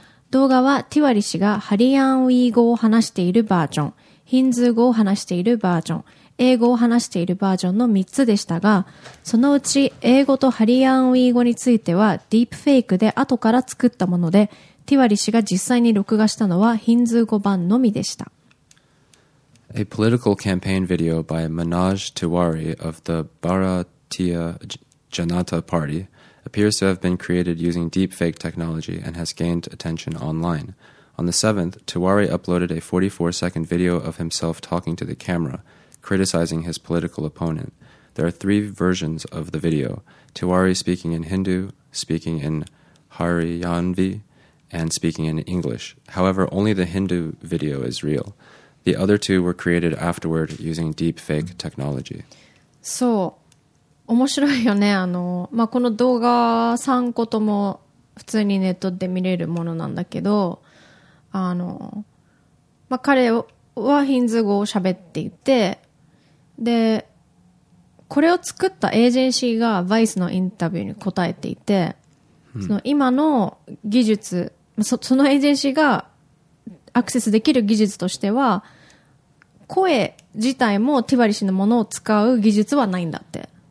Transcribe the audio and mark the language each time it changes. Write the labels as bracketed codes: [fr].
[ja] 動画はティワリ氏がハリアンウィー語を話しているバージョン、ヒンズー語を話しているバージョン、英語を話しているバージョンの3つでしたが、そのうち英語とハリアンウィー語についてはディープフェイクで後から作ったもので、ティワリ氏が実際に録画したのはヒンズー語版のみでした。 [en] A political campaign video by Manoj Tiwari of the Bharatiya Janata Party appears to have been created using deepfake technology and has gained attention online. On the 7th, Tiwari uploaded a 44-second video of himself talking to the camera, criticizing his political opponent. There are three versions of the video: Tiwari speaking in Hindu, speaking in Haryanvi, and speaking in English. However, only the Hindu video is real. The other two were created afterward using deepfake technology. So... [ja] 面白いよね。まあ、この動画3個とも普通にネットで見れるものなんだけど、まあ、彼はヒンズー語を喋っていて、で、これを作ったエージェンシーが VICE のインタビューに答えていて、その今の技術、そのエージェンシーがアクセスできる技術としては、声自体もティワリ氏のものを使う技術はないんだって。